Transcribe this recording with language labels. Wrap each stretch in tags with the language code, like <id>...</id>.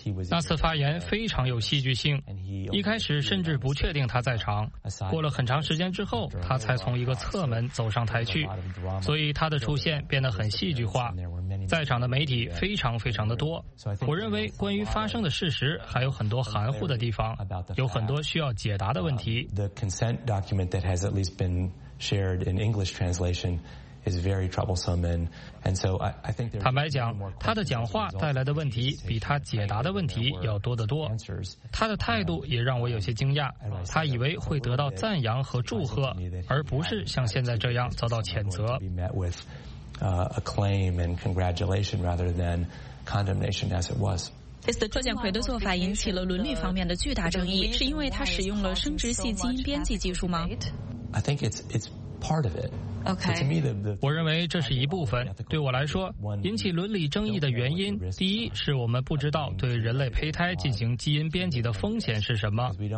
<zh>那次发言非常有戏剧性，一开始甚至不确定他在场，过了很长时间之后他才从一个侧门走上台去，所以他的出现变得很戏剧化，在场的媒体非常非常的多。我认为关于发生的事实还有很多含糊的地方，有很多需要解答的问题。</zh> <en>The consent document that has at least been shared in English translationis very troublesome and so I think there</en> <zh>坦白讲，他的讲话带来的问题比他解答的问题要多得多。他的态度也让我有些惊讶，他以为会得到赞扬和祝贺，而不是像现在这样遭到谴责。</zh> <en>acclaim and congratulation rather than condemnation as it was。</en> <zh>贺建奎的做法引起了伦理方面的巨大争议，是因为他使用了生殖系基因编辑技术吗？</zh> <en>I think it's part of it。</en> <zh>我认为这是一部分。对我来说，引起伦理争议的原因，第一是我们不知道对人类胚胎进行基因编辑的风险是什么。</zh>